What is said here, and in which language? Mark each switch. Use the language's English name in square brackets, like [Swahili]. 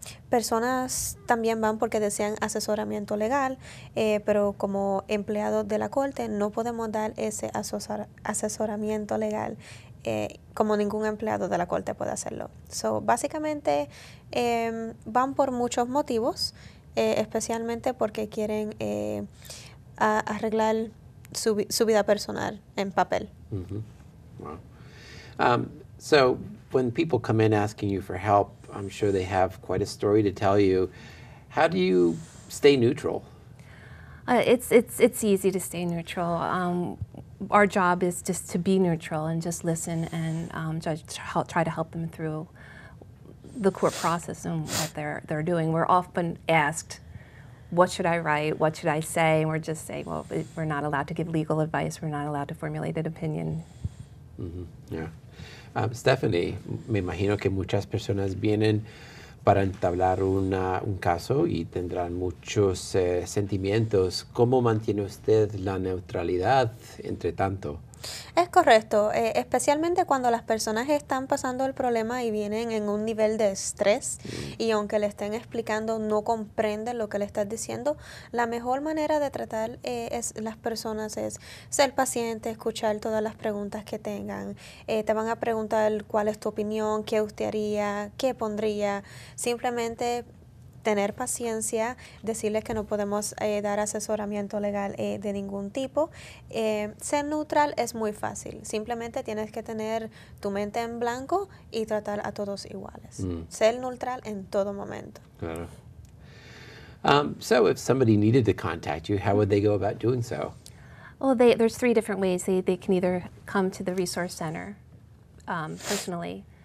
[Spanish] Personas también van porque desean asesoramiento legal, pero como empleados de la corte no podemos dar ese asesoramiento legal como ningún empleado de la corte puede hacerlo. So, básicamente van por muchos motivos, especialmente porque quieren arreglar su vida personal en papel. [English] Mm-hmm. Wow. So when people come in asking you for help, I'm sure they have quite a story to tell you. How do you stay neutral? It's easy to stay neutral. Our job is just to be neutral and just listen and try to help them through the court process and what they're doing. We're often asked, what should I write? What should I say? And we're just saying, well, we're not allowed to give legal advice. We're not allowed to formulate an opinion. Mm-hmm. Yeah. [Spanish] Stephanie, me imagino que muchas personas vienen para entablar un caso y tendrán muchos sentimientos. ¿Cómo mantiene usted la neutralidad entre tanto? Es correcto, especialmente cuando las personas están pasando el problema y vienen en un nivel de estrés y aunque le estén explicando no comprenden lo que le estás diciendo, la mejor manera de tratar es las personas es ser paciente, escuchar todas las preguntas que tengan. Te van a preguntar cuál es tu opinión, qué usted haría, qué pondría. Simplemente tener paciencia, decirles que no podemos dar asesoramiento legal de ningún tipo. Ser neutral es muy fácil. Simplemente tienes que tener tu mente en blanco y tratar a todos iguales. Mm. Ser neutral en todo momento. Claro. [English] So if somebody needed to contact you, how would they go about doing so? Well, there's three different ways. They can either come to the Resource Center personally.